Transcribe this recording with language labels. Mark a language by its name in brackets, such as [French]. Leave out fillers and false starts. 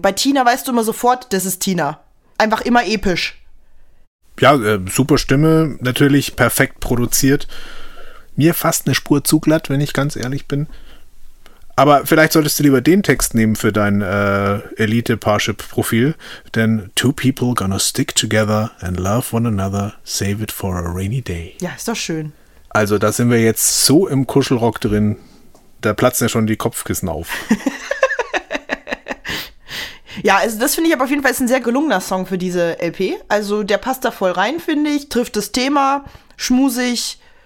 [German] Bei Tina weißt du immer sofort, das ist Tina. Einfach immer episch. Ja, super Stimme, natürlich perfekt produziert. Mir fast eine Spur zu glatt, wenn ich ganz ehrlich bin. Aber vielleicht solltest du lieber den Text nehmen für dein Elite-Parship-Profil. [English] Denn two people gonna stick together and love one another, save it for a rainy day. [German] Ja, ist doch schön. Also da sind wir jetzt so im Kuschelrock drin, da platzen ja schon die Kopfkissen auf. Ja, also das finde ich aber auf jeden Fall ist ein sehr gelungener Song für diese LP. Also der passt da voll rein, finde ich, trifft das Thema, schmusig.